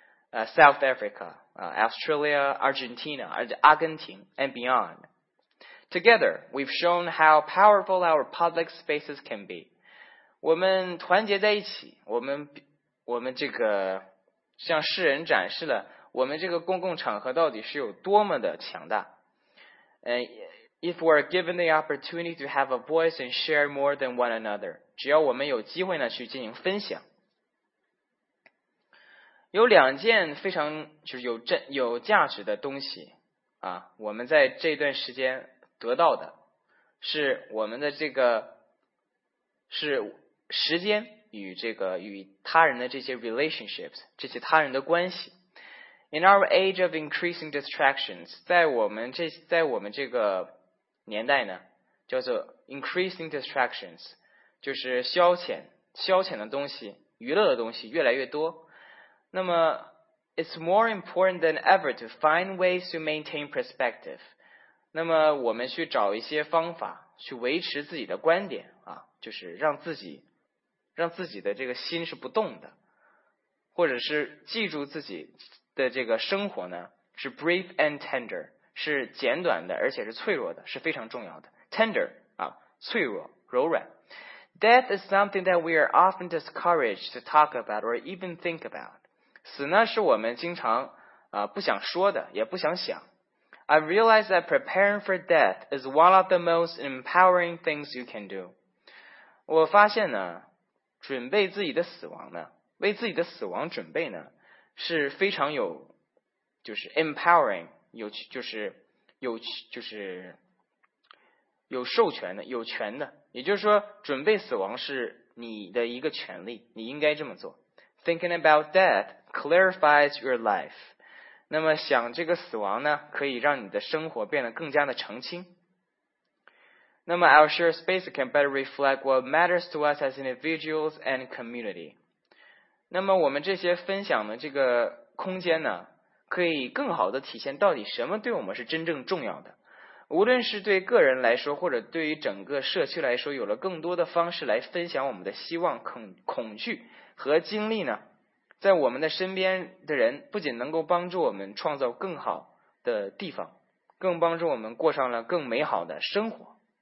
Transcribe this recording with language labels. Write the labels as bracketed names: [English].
[English] South Africa, Australia, Argentina, Argentina, and beyond. Together, we've shown how powerful our public spaces can be. [Chinese] 我们团结在一起，我们这个向世人展示了我们这个公共场合到底是有多么的强大。 [English] If we're given the opportunity to have a voice and share more than one another, [Chinese] 只要我们有机会呢去进行分享。有两件非常就是有价值的东西啊，我们在这段时间得到的是我们的这个是时间与这个与他人的这些 relationships, 这些他人的关系。 [English] In our age of increasing distractions, [Chinese] 在我们这个年代呢，叫做 increasing distractions, 就是消遣的东西，娱乐的东西越来越多。那么 [English] it's more important than ever to find ways to maintain perspective. [Chinese] 那么我们去找一些方法去维持自己的观点啊，就是让自己的这个心是不动的，或者是记住自己的这个生活呢是 [English] brief and tender, [Chinese] 是简短的而且是脆弱的，是非常重要的。 tender, 啊，脆弱，柔软。 [English] Death is something that we are often discouraged to talk about or even think about. [Chinese] 死呢是我们经常不想说的，也不想想。 [English] I realized that preparing for death is one of the most empowering things you can do. [Chinese] 我发现呢，准备自己的死亡呢，为自己的死亡准备呢，是非常有，就是 empowering, 有就是有就是有授权的，有权的。也就是说，准备死亡是你的一个权利，你应该这么做。 Thinking about death clarifies your life. 那么想这个死亡呢，可以让你的生活变得更加的澄清。那么 [English] our shared space can better reflect what matters to us as individuals and community. [Chinese] 那么我们这些分享的这个空间呢，可以更好的体现到底什么对我们是真正重要的。无论是对个人来说，或者对于整个社区来说，有了更多的方式来分享我们的希望、恐惧和经历呢，在我们的身边的人不仅能够帮助我们创造更好的地方，更帮助我们过上了更美好的生活。